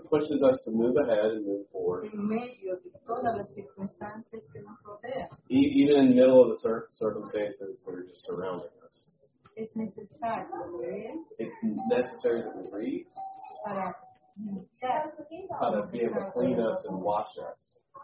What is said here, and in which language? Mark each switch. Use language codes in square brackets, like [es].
[en] And it pushes us to move ahead and move forward. [es] En medio de todas las circunstancias que nos rodean. [en] Even in the middle of the circumstances that are just surrounding us. [es] Es necesario leer. [en] It's necessary to read. [es] Para limpiar. [en] Para be able to clean us and wash us.